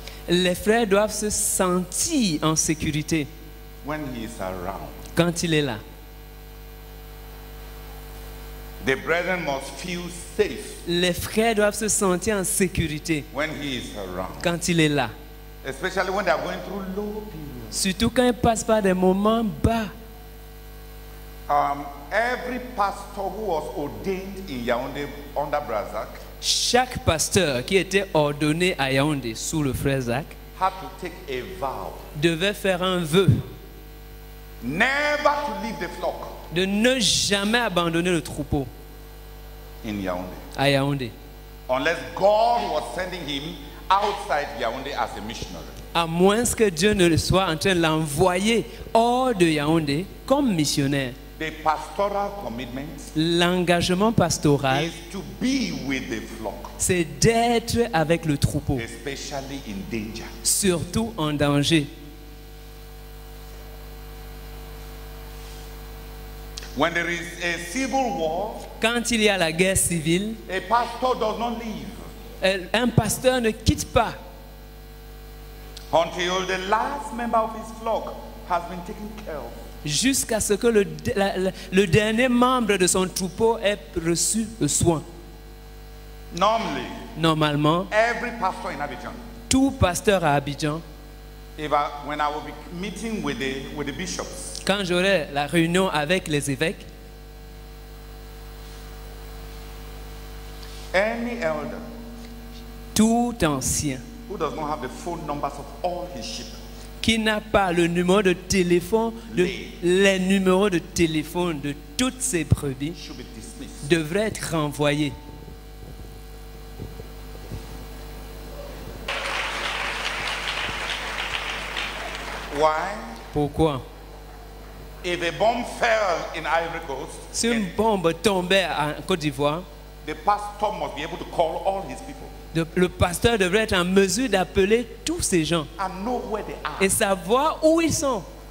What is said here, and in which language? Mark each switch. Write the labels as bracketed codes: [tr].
[fr] Les frères doivent se sentir en sécurité. [en] When he is around. [fr] Quand il est là. [en] The brethren must feel safe. [fr] Les frères doivent se sentir en sécurité. [en] When he is around. [fr] Quand il est là. [en] Especially when they are going through low periods. [fr] Surtout quand ils passent par des moments bas. [en] Every pastor who was ordained in Yaoundé under Brazzac. [fr] Chaque pasteur qui était ordonné à Yaoundé sous le frère Zach [en] had to take a vow. [fr] Devait faire un vœu. [en] Never to leave the flock. [fr] De ne jamais abandonner le troupeau. [en] In Yaoundé. [fr] À Yaoundé. [en] Unless God was sending him outside Yaoundé as a missionary. [fr] À moins que Dieu ne le soit en train de l'envoyer hors de Yaoundé comme missionnaire. [en] The pastoral commitment, [fr] l'engagement pastoral, [en] is to be with the flock, [fr] c'est d'être avec le troupeau, [en] especially in danger, [fr] surtout en danger. [en] When there is a civil war, [fr] quand il y a la guerre civile, [en] a pastor does not leave. [fr] Un pasteur ne quitte pas. [en] Until the last member of his flock has been taken care of. [fr] Jusqu'à ce que le dernier membre de son troupeau ait reçu le soin. [en] Normally, [fr] normalement, [en] every pastor in Abidjan, [fr] tout pasteur à Abidjan, [en] when I will be meeting with the bishops, [fr] quand j'aurai la réunion avec les évêques, [en] any elder, [fr] tout ancien, [en] who does not have the phone numbers of all his sheep, [fr] qui n'a pas le numéro de téléphone de les numéros de téléphone de toutes ses brebis, devrait être renvoyé. [en] Why? [fr] Pourquoi? [en] If a bomb fell in Ivory Coast, [fr] si une bombe tombait en Côte d'Ivoire, [en] the pastor must be able to call all his people. [fr] Le pasteur devrait être en mesure d'appeler tous ces gens et savoir où ils sont.